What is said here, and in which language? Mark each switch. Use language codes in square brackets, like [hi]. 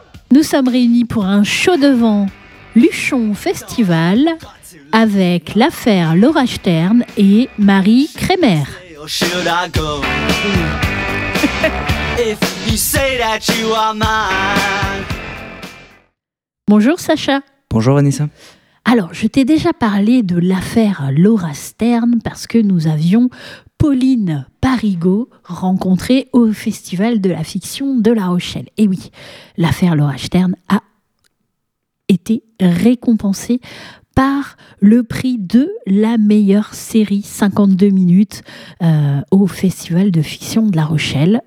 [fr] nous sommes réunis pour un show devant Luchon Festival avec l'affaire Laura Stern et Marie Kremer. [en] Should I go? If you say that you are mine. [fr] Bonjour Sacha. Bonjour Vanessa. Alors, je t'ai déjà parlé de l'affaire Laura Stern parce que nous avions Pauline Parigot rencontrée au Festival de la fiction de La Rochelle. Et oui, l'affaire Laura Stern a été récompensée par le prix de la meilleure série 52 minutes au Festival de fiction de La Rochelle.